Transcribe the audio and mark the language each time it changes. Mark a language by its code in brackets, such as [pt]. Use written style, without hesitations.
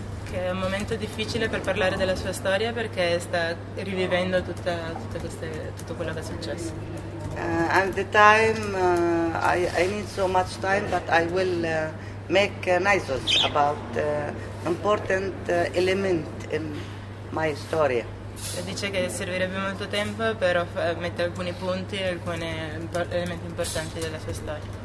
[it] Che è un momento difficile per parlare della sua storia perché sta rivivendo tutto quello che è successo. [en] At the time I need so much time, but I will make noises about important element in my [it] storia. Dice che servirebbe molto tempo, però mette alcuni punti, alcuni elementi importanti della sua storia.